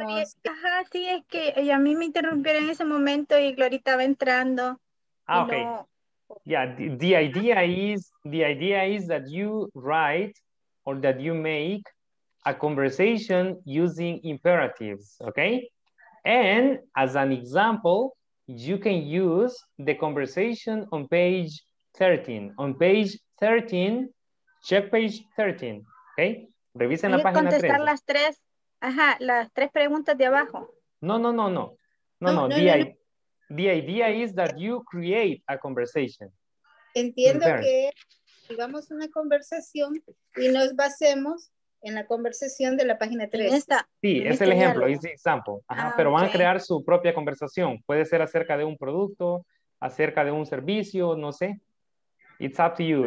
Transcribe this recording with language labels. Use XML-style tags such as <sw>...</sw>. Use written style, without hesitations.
<es>Ajá, sí, es que a mí me interrumpieron en ese momento y Glorita va entrando. Ah, okay. No...</es> <en>Yeah, the idea is that you write or that you make a conversation using imperatives, okay? And as an example, you can use the conversation on page 13. On page 13, check page 13, okay?</en> <es>Revisen la página 3. Contestar las tres. Ajá, las tres preguntas de abajo.</es> <en>No, the idea is that you create a conversation.</en> <es>Entiendo que digamos una conversación y nos basemos en la conversación de la página 3. Sí, es el ejemplo, es el example. Ajá, pero van a crear su propia conversación. Puede ser acerca de un producto, acerca de un servicio, no sé.</es> <en>It's up to you.</en>